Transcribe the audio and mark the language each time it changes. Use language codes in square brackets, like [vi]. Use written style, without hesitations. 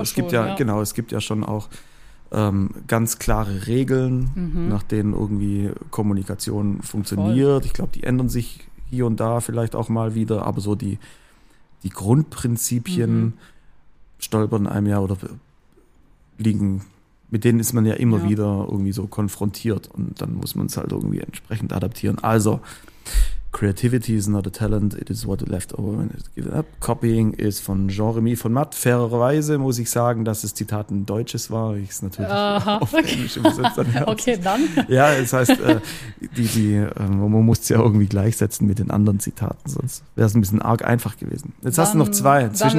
[de] es gibt ja, genau, es gibt ja schon auch ganz klare Regeln, nach denen irgendwie Kommunikation funktioniert. Voll. Ich glaube, die ändern sich hier und da vielleicht auch mal wieder, aber so die Grundprinzipien stolpern einem ja oder liegen, mit denen ist man ja immer wieder irgendwie so konfrontiert und dann muss man es halt irgendwie entsprechend adaptieren. [en] Also, Creativity is not a talent, it is what is left over when it's given up. Copying is [de] von Jean-Rémy von Matt. Fairerweise muss ich sagen, dass das Zitat ein deutsches war. Ich es natürlich auf Englisch übersetzt. Dann okay, dann. Ja, das heißt, man muss es ja irgendwie gleichsetzen mit den anderen Zitaten, sonst wäre es ein bisschen arg einfach gewesen. Jetzt dann, hast du noch zwei. Zwischen